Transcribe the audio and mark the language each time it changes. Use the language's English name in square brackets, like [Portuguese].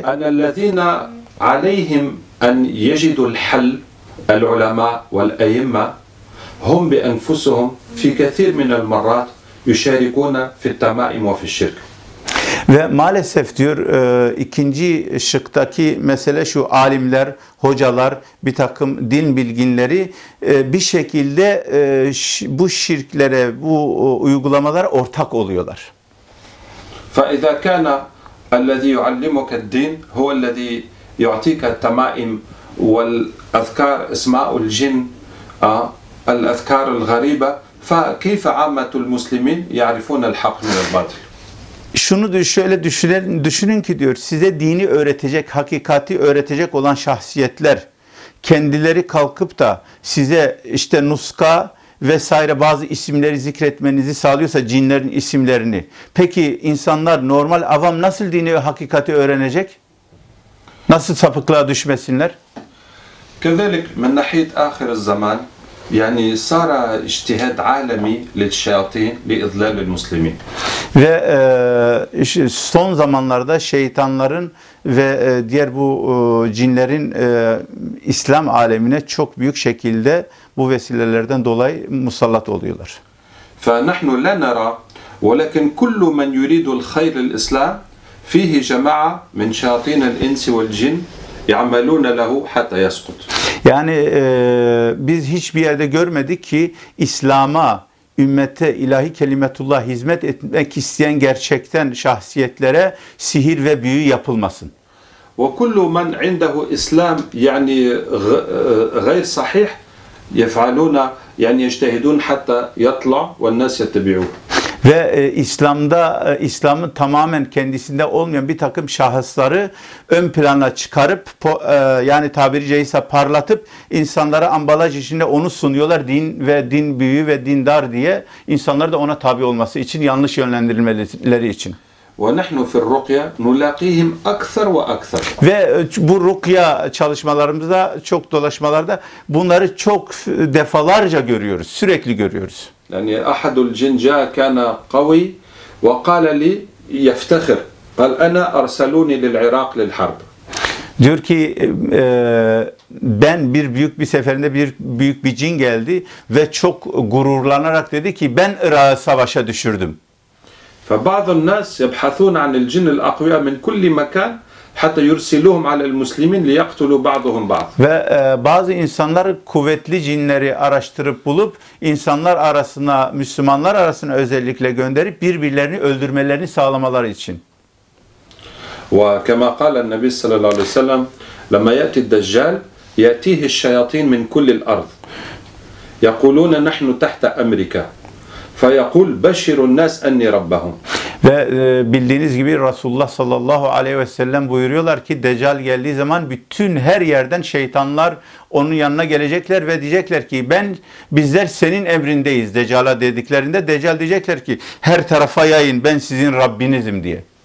[Arabic] اَلَّذِينَ عَلَيْهِمْ اَنْ يَجِدُوا الْحَلْ الْعُلَمَا وَالْاَيِّمَّا هُمْ بِاَنْفُسُهُمْ فِي كَثِيرْ مِنَ الْمَرَّاتِ يُشَارِكُونَ فِي التَّمَائِمْ وَفِي الشِّرْكِ [Turkish] Ve maalesef diyor ikinci şıktaki mesele şu, alimler, hocalar, bir takım din bilginleri bir şekilde bu şirklere, bu uygulamalara ortak oluyorlar. [Arabic] فَاِذَا كَانَ الَّذِي يُعَلِّمُكَ الدِّينِ هُوَ الَّذِي يُعْتِيكَ التَّمَائِمْ والأذكار اسماء الجن الأذكار الغريبة فكيف عامة المسلمين يعرفون الحق من الباطل؟ [Turkish] Şunu şöyle düşünün ki diyor, size dini öğretecek, hakikati öğretecek olan şahsiyetler kendileri kalkıp da size işte nuska vesaire bazı isimleri zikretmenizi sağlıyorsa, cinlerin isimlerini. Peki insanlar, normal avam nasıl dini hakikati öğrenecek? Nasıl sapıklığa düşmesinler? [Arabic] كذلك من ناحية آخر الزمان يعني صار اجتهاد عالمي للشياطين لإضلال المسلمين. [Turkish] Ve son zamanlarda şeytanların ve diğer bu cinlerin İslam alemine çok büyük şekilde bu vesilelerden dolayı musallat oluyorlar. [Arabic] فنحن لا نرى ولكن كل من يريد الخير للإسلام فيه جماعة من شياطين الإنس والجن يعملون له حتى يسقط. [Turkish] Yani biz hiçbir yerde görmedik ki İslam'a, ümmete, ilahi kelimetullah hizmet etmek isteyen gerçekten şahsiyetlere sihir ve büyü yapılmasın. [Arabic] وكل من عنده اسلام يعني غير صحيح يفعلون يعني يجتهدون حتى يطلع والناس يتبعوه. [Turkish] Ve İslam'da, İslam'ın tamamen kendisinde olmayan bir takım şahısları ön plana çıkarıp, yani tabiri caizse parlatıp, insanlara ambalaj içinde onu sunuyorlar, din ve din büyüğü ve dindar diye, insanlar da ona tabi olması için, yanlış yönlendirilmeleri için. [Arabic] وَنَحْنُ فِي الرُّقْيَا نُلَاقِيهِمْ أَكْثَرْ وَأَكْثَرْ [Turkish] Ve bu rukya çalışmalarımızda, çok dolaşmalarda bunları çok defalarca görüyoruz, sürekli görüyoruz. [Arabic] Yani أحد الجن جاء كان قوي وقال لي يفتخر قال أنا أرسلوني للعراق للحرب. [Turkish] Diyor ki ben bir büyük bir seferinde bir büyük bir cin geldi ve çok gururlanarak dedi ki ben Irak'ı savaşa düşürdüm. [Arabic] فبعض الناس يبحثون عن الجن الأقوياء من كل مكان حتى يرسلوهم على المسلمين ليقتلوا بعضهم بعض. [Turkish] Ve bazı insanlar kuvvetli cinleri araştırıp bulup insanlar arasına, Müslümanlar arasına özellikle gönderip birbirlerini öldürmelerini sağlamaları için. [Arabic] وكما قال النبي صلى الله عليه وسلم لما يأتي الدجال يأتيه الشياطين من كل الأرض يقولون نحن تحت أمريكا فيقول بشر الناس أني ربهم. [Turkish] Ve bildiğiniz gibi Resulullah sallallahu aleyhi ve sellem buyuruyorlar ki Deccal geldiği zaman bütün her yerden şeytanlar onun yanına gelecekler ve diyecekler ki bizler senin emrindeyiz Deccal'a dediklerinde. Deccal diyecekler ki her tarafa yayın ben sizin Rabbinizim diye.